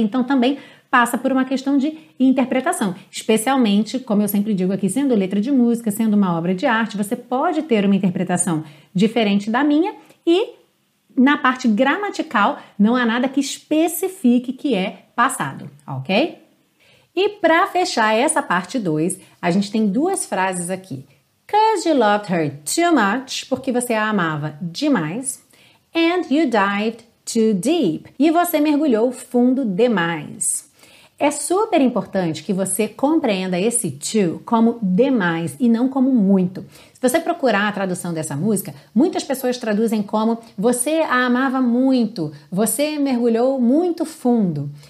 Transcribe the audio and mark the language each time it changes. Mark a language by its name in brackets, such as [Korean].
[Portuguese] Então também passa por uma questão de interpretação, especialmente, como eu sempre digo aqui, sendo letra de música, sendo uma obra de arte, você pode ter uma interpretação diferente da minha e na parte gramatical não há nada que especifique que é passado, ok? E para fechar essa parte 2, a gente tem duas frases aqui. [English] 'Cause you loved her too much, [Portuguese] porque você a amava demais, [English] and you dived too deep. [Portuguese] E você mergulhou fundo demais. É super importante que você compreenda esse too como demais e não como muito. Se você procurar a tradução dessa música, muitas pessoas traduzem como você a amava muito, você mergulhou muito fundo.